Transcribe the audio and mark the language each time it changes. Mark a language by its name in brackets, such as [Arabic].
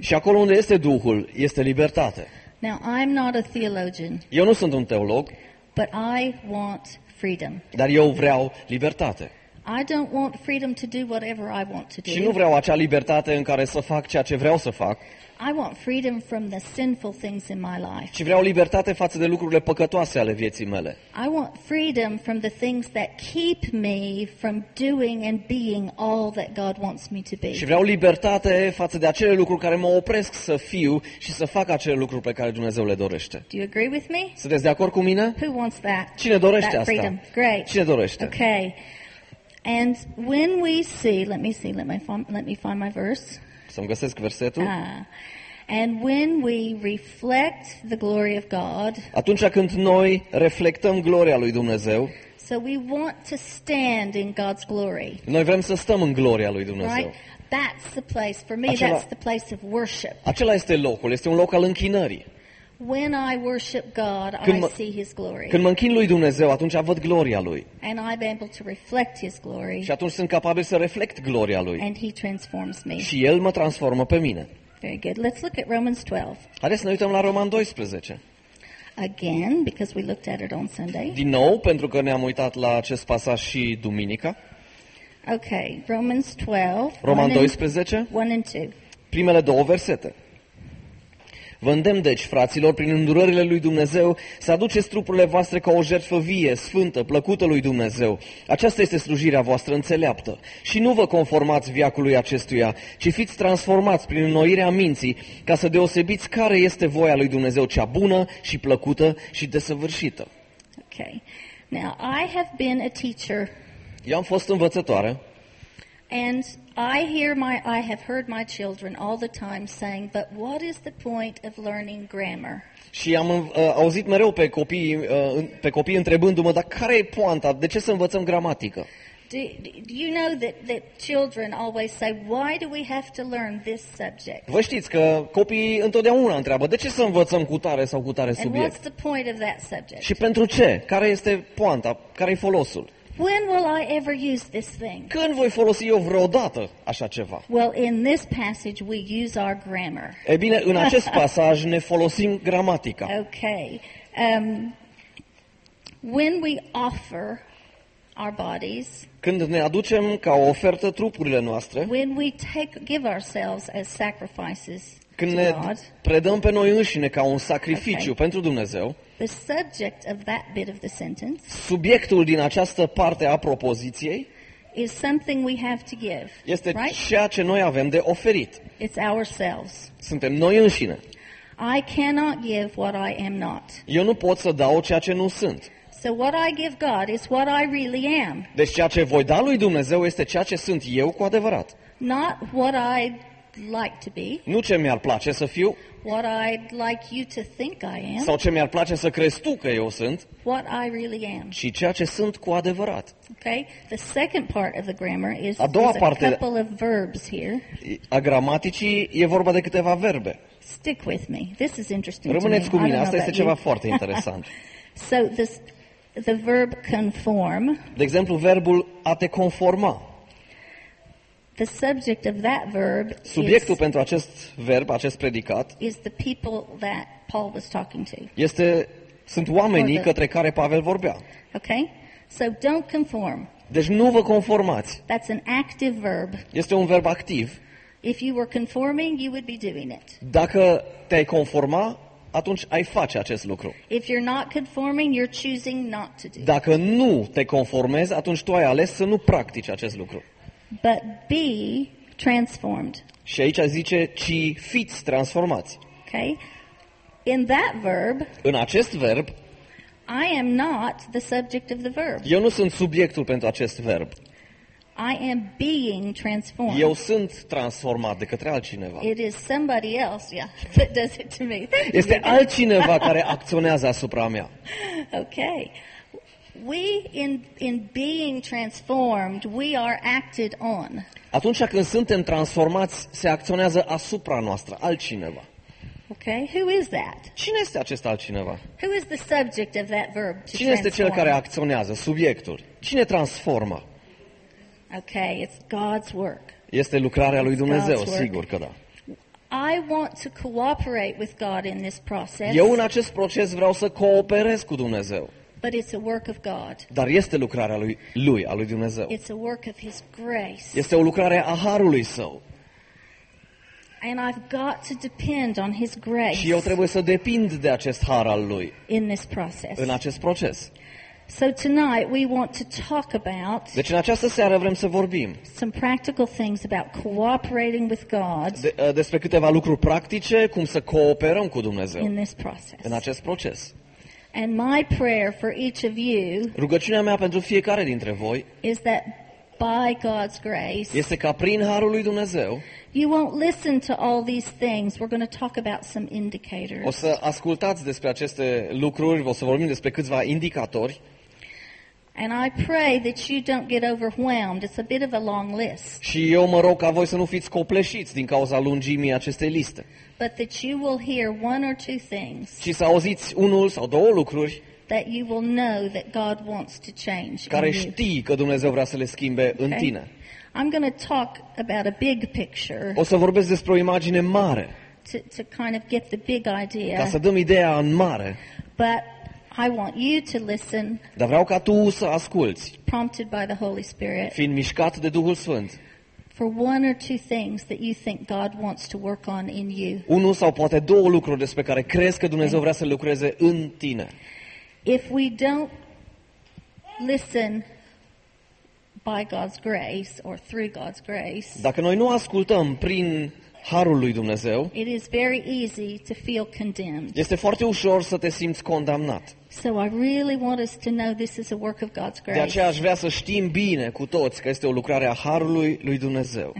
[Romanian] Și acolo unde este Duhul, este libertate. [English] Now, I'm not a theologian. [Romanian] Eu nu sunt un teolog. [English] But I want freedom. [Romanian] Dar eu vreau libertate. [English] I don't want freedom to do whatever I want to do. [Romanian] Și nu vreau acea libertate în care să fac ceea ce vreau să fac. [English] I want freedom from the sinful things in my life. [Romanian] Și vreau libertate față de lucrurile păcătoase ale vieții mele. [English] I want freedom from the things that keep me from doing and being all that God wants me to be. [Romanian] Și vreau libertate față de acele lucruri care mă opresc să fiu și să fac acele lucruri pe care Dumnezeu le dorește. [English] Do you agree with me? [Romanian] Sunteți de acord cu mine? [English] Who wants that? [Romanian] Cine dorește [English] that freedom? [Romanian] Asta? [English] Great. [Romanian] Cine dorește? [English] Okay. And when we see, let me find my verse. [Romanian] Să-mi găsesc versetul. [English] And when we reflect the glory of God. [Romanian] Atunci când noi reflectăm gloria lui Dumnezeu. [English] So we want to stand in God's glory. [Romanian] Noi vrem să stăm în gloria lui Dumnezeu. [English] Right? That's the place for me. [Romanian] Acela, [English] that's the place of worship. [Romanian] Acela este locul, este un loc al închinării. [English] When I worship God, I see His glory. [Romanian] Când mă închin lui Dumnezeu, atunci văd gloria Lui. [English] And I'm able to reflect His glory. [Romanian] Și atunci sunt capabil să reflect gloria Lui. [English] And He transforms me. [Romanian] Și El mă transformă pe mine. [English] Very good. Let's look at Romans 12. [Romanian] Haideți să ne uităm la Roman 12. [English] Again, because we looked at it on Sunday. [Romanian] Din nou, pentru că ne-am uitat la acest pasaj și duminica. [English] Okay, Romans 12. [Romanian] Roman 12. [English] 1 and 2. [Romanian] Primele două versete. Vă îndemn, deci, fraților, prin îndurările lui Dumnezeu, să aduceți trupurile voastre ca o jertfă vie, sfântă, plăcută lui Dumnezeu. Aceasta este slujirea voastră înțeleaptă. Și nu vă conformați viacului acestuia, ci fiți transformați prin înnoirea minții, ca să deosebiți care este voia lui Dumnezeu, cea bună și plăcută și desăvârșită. [English] Okay. Now, I have been a teacher. [Romanian] Eu am fost învățătoare. [English] And I have heard my children all the time saying, but what is the point of learning grammar? [Romanian] Și am auzit mereu pe copii întrebându-mă, dar care e poanta? De ce să învățăm gramatică? [English] Do you know that children always say, why do we have to learn this subject? [Romanian] Vă știți că copiii întotdeauna întreabă, de ce să învățăm cu tare sau cu tare subiect? [English] And what's the point of that subject? [Romanian] Și pentru ce? Care este poanta? Care e folosul? [English] When will I ever use this thing? [Romanian] Când voi folosi eu vreodată așa ceva? [English] Well, in this passage we use our grammar. [Romanian] E bine, în acest pasaj ne folosim gramatica. [English] Okay. When we offer our bodies. [Romanian] Când ne aducem ca o ofertă trupurile noastre. [English] When we give ourselves as sacrifices. [Romanian] Când ne predăm pe noi înșine ca un sacrificiu [English] okay. [Romanian] pentru Dumnezeu. [English] The subject of that bit of the sentence. [Romanian] Subiectul din această parte a propoziției. [English] Is something we have to give. [Romanian] Este [English] right? [Romanian] ceea ce noi avem de oferit. [English] It's ourselves. [Romanian] Suntem noi înșine. [English] I cannot give what I am not. [Romanian] Eu nu pot să dau ceea ce nu sunt. [English] So what I give God is what I really am. [Romanian] Deci ceea ce voi da lui Dumnezeu este ceea ce sunt eu cu adevărat. [English] Not what I like to be. [Romanian] Nu ce mi-ar place să fiu. [English] What I'd like you to think I am. [Romanian] Sau ce mi-ar place să crezi tu că eu sunt. [English] What I really am. [Romanian] Și ceea ce sunt cu adevărat. [English] Okay. The second part of the grammar is a couple of verbs here. [Romanian] A gramaticii e vorba de câteva verbe. [English] Stick with me. This is interesting. [Romanian] Rămâneți cu mine. Asta este ceva [English] you. [Romanian] Foarte interesant. [English] So this the verb conform. [Romanian] De exemplu, verbul a te conforma. [English] The subject of that verb [Romanian] subiectul pentru acest verb, acest predicat, [English] is the people that Paul was talking to. [Romanian] Este sunt oamenii către care Pavel vorbea. [English] Okay? So don't conform. [Romanian] Deci nu vă conformați. [English] That's an active verb. [Romanian] Este un verb activ. [English] If you were conforming, you would be doing it. [Romanian] Dacă te-ai conforma, atunci ai face acest lucru. [English] If you're not conforming, you're choosing not to do. [Romanian] Dacă nu te conformezi, atunci tu ai ales să nu practici acest lucru. [English] But be transformed. [Romanian] Și aici zice ci fiți transformați. [English] Okay? In that verb. [Romanian] În acest verb. [English] I am not the subject of the verb. [Romanian] Eu nu sunt subiectul pentru acest verb. [English] I am being transformed. [Romanian] Eu sunt transformat de către altcineva. [English] It is somebody else, yeah, that does it to me. [Romanian] Este altcineva care acționează asupra mea. [English] Okay. We in being transformed, we are acted on. [Romanian] Atunci când suntem transformați, se acționează asupra noastră altcineva. [English] Okay, who is that? [Romanian] Cine este acest altcineva? [English] Who is the subject of that verb to transform? [Romanian] Cine este cel care acționează, subiectul? Cine transformă? [English] Okay, it's God's work. [Romanian] Este lucrarea lui Dumnezeu, sigur că da. [English] I want to cooperate with God in this process. [Romanian] Eu în acest proces vreau să cooperez cu Dumnezeu. [English] But it's a work of God. [Romanian] Dar este lucrarea lui, a lui Dumnezeu. [English] It's a work of his grace. [Romanian] Este o lucrare a harului său. [English] And I've got to depend on his grace. [Romanian] Și eu trebuie să depind de acest har al lui. [English] In this process. [Romanian] În acest proces. [English] So tonight we want to talk about. [Romanian] Deci în această seară vrem să vorbim. [English] Some practical things about cooperating with God. [Romanian] Despre câteva lucruri practice, cum să cooperăm cu Dumnezeu. [English] In this process. [Romanian] În acest proces. [English] And my prayer for each of you. [Romanian] Rugăciunea mea pentru fiecare dintre voi. [English] Is that by God's grace. [Romanian] Este ca prin harul lui Dumnezeu. [English] You won't listen to all these things. We're going to talk about some indicators. [Romanian] O să ascultați despre aceste lucruri, o să vorbim despre câțiva indicatori. [English] And I pray that you don't get overwhelmed. It's a bit of a long list. [Romanian] Și eu mă rog ca voi să nu fiți copleșiți din cauza lungimii acestei liste. [English] But that you will hear one or two things. [Romanian] Și să auziți unul sau două lucruri. [English] That you will know that God wants to change. [Romanian] Care știi că Dumnezeu vrea să le schimbe în tine. [English] I'm going to talk about a big picture. [Romanian] O să vorbesc despre o imagine mare. [English] To kind of get the big idea. [Romanian] Ca să dăm ideea în mare. [English] But I want you to listen. [Romanian] Dar vreau ca tu să asculți. [English] Prompted by the Holy Spirit. [Romanian] Fiind mișcat de Duhul Sfânt. [English] For one or two things that you think God wants to work on in you. [Romanian] Unul sau poate două lucruri despre care crezi că Dumnezeu vrea să lucreze în tine. [English] If we don't listen by God's grace or through God's grace. [Romanian] Dacă noi nu ascultăm prin harul lui Dumnezeu. [English] It is very easy to feel condemned. [Romanian] Este foarte ușor să te simți condamnat. [English] So I really want us to know this is a work of God's grace. [Romanian] De aceea aș vrea să știm bine cu toți că este o lucrare a harului lui Dumnezeu.